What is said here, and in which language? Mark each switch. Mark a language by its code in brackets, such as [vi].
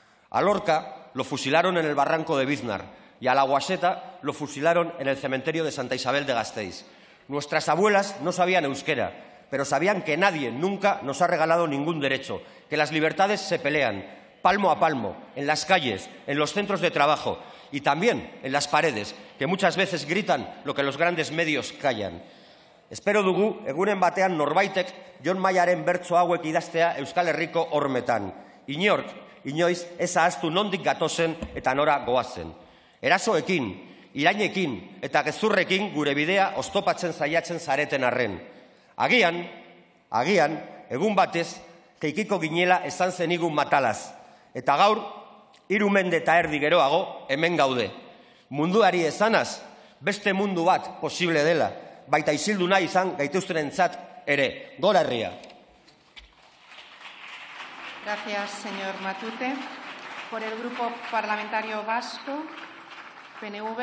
[es] A Lorca lo fusilaron en el barranco de Biznar y a la Guaseta lo fusilaron en el cementerio de Santa Isabel de Gasteiz. Nuestras abuelas no sabían euskera, pero sabían que nadie nunca nos ha regalado ningún derecho, que las libertades se pelean palmo a palmo, en las calles, en los centros de trabajo y también en las paredes, que muchas veces gritan lo que los grandes medios callan. [eu] Espero dugu, egunen batean norbaitek, John Mayaren bertso hauek idaztea Euskal Herriko hormetan. Inork, inoiz, ez ahaztu nondik gatozen eta nora goazen. Erasoekin, irainekin eta gezurrekin gure bidea oztopatzen saiatzen zareten arren. Agian, agian, egun batez, keikiko ginela esan zenigun matalaz. Eta gaur, hiru mende eta erdi geroago, hemen gaude. Munduari esanaz, beste mundu bat posible dela, baita isilduna izan gaituztenentzat ere. Gora herria! [es] Gracias, señor Matute. Por el Grupo Parlamentario Vasco, PNV.